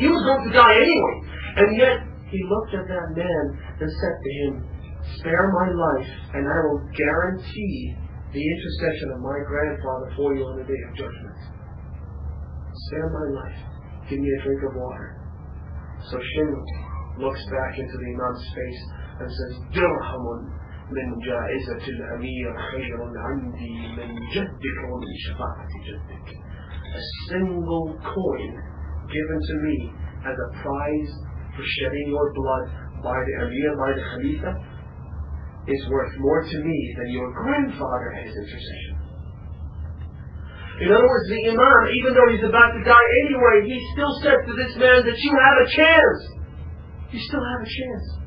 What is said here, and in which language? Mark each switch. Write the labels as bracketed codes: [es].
[en] He was going to die anyway. And yet, he looked at that man and said to him, spare my life and I will guarantee the intercession of my grandfather for you on the day of judgment. Spare my life. Give me a drink of water. So Shimon looks back into the Imam's face and says, [ar] Dirhamun. من جائزة الأمير خير عندي من جدك ومن شفاعة جدك. [en] A single coin given to me as a prize for shedding your blood by the Amir, by the Khalifa, is worth more to me than your grandfather has intercession. In other words, the Imam, even though he's about to die anyway, he still said to this man that you have a chance. You still have a chance.